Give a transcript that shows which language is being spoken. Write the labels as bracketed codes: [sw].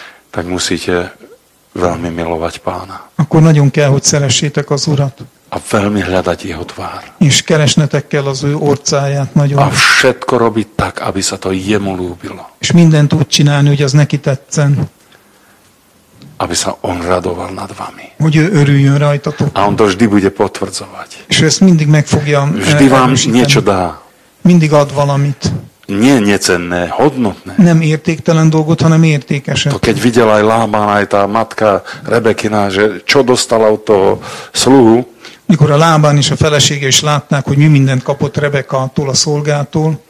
[sk] Tak musíte veľmi milovať Pána. [hu] Akkor nagyon kell, hogy szeressétek az Urat. [sk] A veľmi hľadať jeho tvár. [hu] És keresnetek kell az ő orcáját nagyon. [sk] A všetko robiť tak, aby sa to jemu ľúbilo. [hu] És mindent úgy csinálni, hogy az neki tetszen. [sk] Aby sa on radoval nad vami. [hu] Hogy ő örüljön rajtatok. [sk] A on to vždy bude potvrdzovať. [hu] És ezt mindig meg fogja [sk] vždy vám niečo dá. [hu] Mindig ad valamit. [sk] Nie necenné, hodnotné. [hu] Nem értéktelen dolgot, hanem értékeset. [sk] To keď videl aj Lábán, aj tá matka Rebekina, že čo dostala od toho sluhu. [hu] Mikor a Lábán és a felesége is látták, hogy mi mindent kapott Rebekától, a szolgától.